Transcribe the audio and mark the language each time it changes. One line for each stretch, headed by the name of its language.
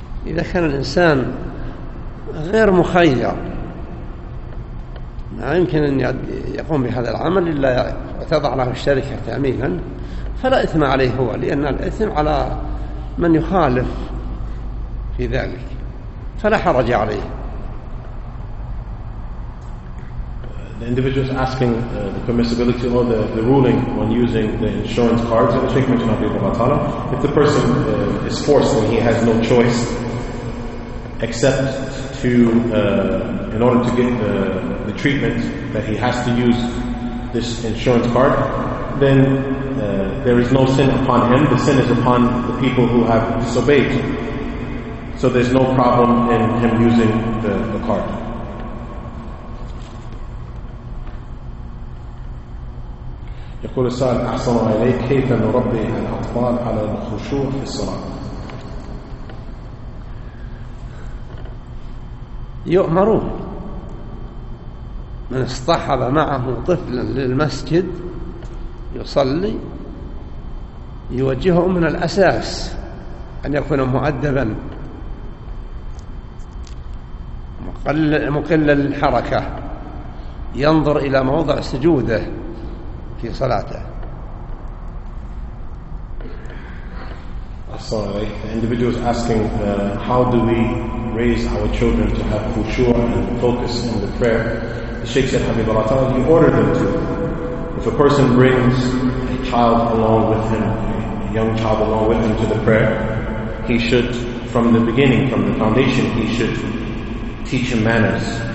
Arabic: إذا كان الإنسان غير مخير ما يمكن أن يقوم بهذا العمل إلا تضع له الشركة تأمينا، فلا إثم عليه هو، لأن الإثم على من يخالف في ذلك، فلا حرج عليه.
English: The individual is asking the permissibility or the ruling when using the insurance cards of the treatment of the batala. If the person is forced and he has no choice except to, in order to get the treatment, that he has to use this insurance card, then there is no sin upon him. The sin is upon the people who have disobeyed. So there's no problem in him using the card.
Arabic: يقول السائل أحسن إليك كيف نربي الأطفال على الخشوع في الصلاة؟ يؤمرون من اصطحب معه طفلا للمسجد يصلي يوجهه من الأساس أن يكون مؤدبا مقلا الحركة، ينظر إلى موضع سجوده في صلاته.
English: Sorry, the individual is asking how do we raise our children to have khushu and focus in the prayer. The Sheikh said, Habib al-Atal, you order them to. If a person brings a child along with him, a young child along with him to the prayer, he should, from the beginning, from the foundation, he should teach him manners.